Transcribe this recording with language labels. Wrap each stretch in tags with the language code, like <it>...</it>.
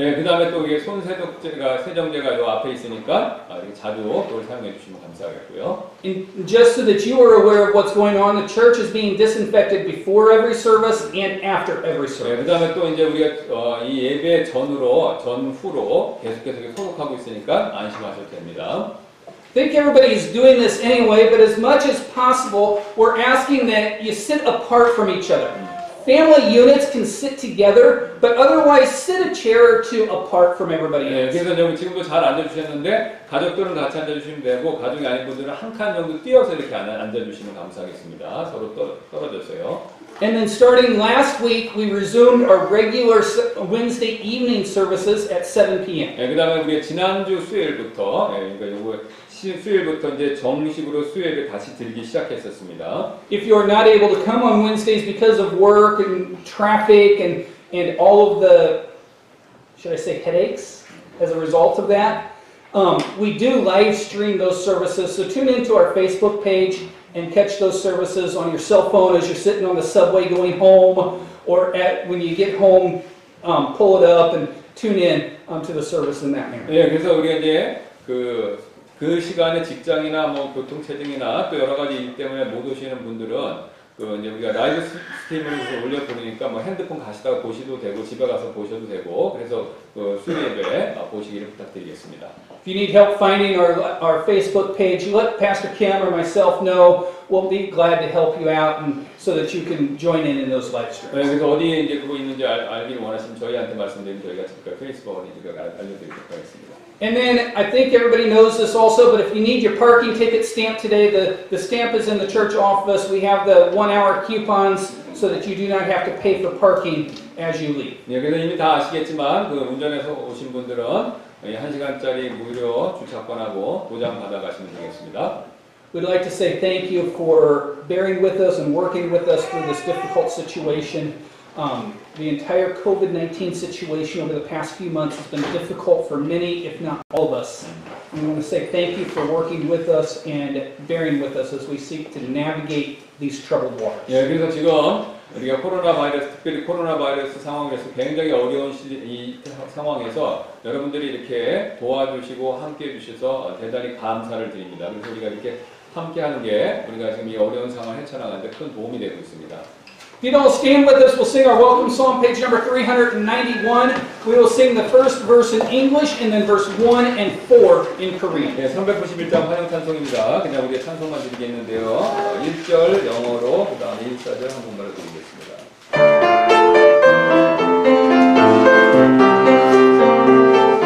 <ko>네, 그다음에 또 이게 세정제가 요 앞에 있으니까 이렇게 자주 그걸 사용해 주시면 감사하겠고요.</ko> <en>And just so that you are aware of what's going on, the church is being disinfected before every service and after every service.</en> <ko>네, 그다음에 또 이제 우리가 이 예배 전후로 계속해서 소독하고 있으니까 안심하셔도 됩니다.</ko> <en>I think everybody is doing this anyway, but as much as possible, we're asking that you sit apart from each other. Family units can sit together, but otherwise sit a chair or two apart from everybody else.</en> <ko>네, 그래서 여러분 지금도 잘 앉아주셨는데 가족들은 같이 앉아주시면 되고 가족이 아닌 분들은 한 칸 정도 뛰어서 이렇게 앉아주시면 감사하겠습니다. 서로 떨어져서요.</ko> <en>And then starting last week, we resumed our regular Wednesday evening services at 7 p.m.</en> <ko>네, 그다음에 우리 지난주 수요일부터 그러니까 요거 수요일부터 이제 정식으로 수요일을 다시 들기 시작했었습니다.</ko> <en>If you are not able to come on Wednesdays because of work and traffic and all of the, should I say headaches as a result of that, we do live stream those services. So tune into our Facebook page and catch those services on your cell phone as you're sitting on the subway going home or when you get home, pull it up and tune in to the service in that manner.</en> <ko>예, 그래서 우리가 이제 그 시간에 직장이나 뭐 교통체증이나 또 여러 가지 일 때문에 못 오시는 분들은 그 이제 우리가 라이브 스트림을 올려드리니까 뭐 핸드폰 가시다가 보셔도 되고 집에 가서 보셔도 되고 그래서 그 수요일에 보시기를 부탁드리겠습니다.</ko> <en>If you need help finding our Facebook page, let Pastor Kim or myself know. We'll be glad to help you out and so that you can join in those live streams.</en> <ko>네, 그래서 어디에 이제 그거 있는지 알기를 원하시면 저희한테 말씀드리면 저희가 지금 페이스북을 이제 알려드리도록 하겠습니다.</ko> <en>And then I think everybody knows this also, but if you need your parking ticket stamped today, the stamp is in the church office. We have the 1 hour coupons so that you do not have to pay for parking as you leave.</en> <ko>네, 그래서 이미 다 아시겠지만 그 운전해서 오신 분들은 1시간짜리 무료 주차권하고 보장 받아가시면 되겠습니다.</ko> <en>We'd like to say thank you for bearing with us and working with us through this difficult situation. The entire COVID-19 situation over the past few months has been difficult for many, if not all of us. We want to say thank you for working with us and bearing with us as we seek to navigate these troubled waters.</en> <ko>예, 그래서 지금 우리가 코로나 바이러스, 특별히 코로나 바이러스 상황에서 굉장히 어려운 이 상황에서 여러분들이 이렇게 도와주시고 함께 해주셔서 대단히 감사를 드립니다. 그래서 우리가 이렇게 함께 하는 게 우리가 지금 이 어려운 상황을 헤쳐나가는 데 큰 도움이 되고 있습니다.</ko> <en>If you don't stand with us, we'll sing our welcome song, page number 391. We will sing the first verse in English and then verse 1 and 4 in Korean.</en> <ko>네, 391장 환영 찬송입니다. 그냥 우리의 찬송만 드리겠는데요. 1절 영어로, 그 다음에 1사절 한 번만 드리겠습니다.</ko>